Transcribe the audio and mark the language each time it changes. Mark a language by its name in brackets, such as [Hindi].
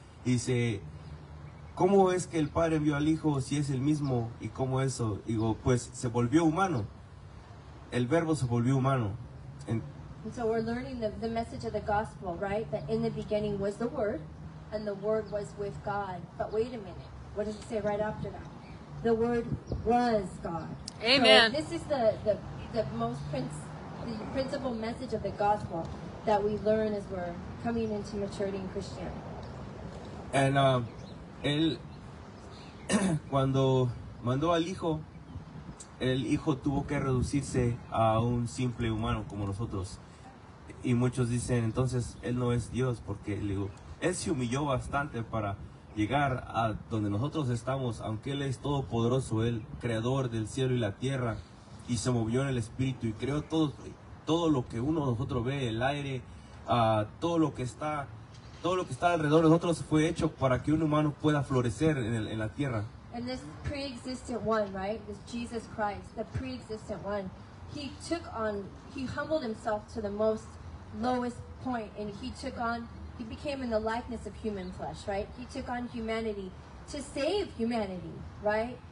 [Spanish] Y dice, ¿cómo es que el padre envió al hijo si es el mismo? ¿Y cómo eso? Digo, pues se volvió humano, el verbo se volvió humano. [English] And so we're learning the message of the gospel, right? That in the beginning was the Word, and the Word was with God. But wait a minute. What does it say right after that? The Word was God. Amen. So this is the principal message of the gospel that we learn as we're coming into maturity in Christianity. [Spanish] And él, cuando mandó al hijo, el hijo tuvo que reducirse a un simple humano como nosotros. Y muchos dicen, entonces, él no es Dios, porque, le digo, él se humilló bastante para llegar a donde nosotros estamos, aunque él es todopoderoso, el creador del cielo y la tierra, y se movió en el espíritu, y creó todo lo que uno de nosotros ve, el aire, todo lo que está alrededor de nosotros fue hecho para que un humano pueda florecer en la tierra. [English] And this pre-existent one, right, this Jesus Christ, the pre-existent one, he humbled himself to the most lowest point, and he became in the likeness of human flesh, right? He took on humanity to save humanity, right?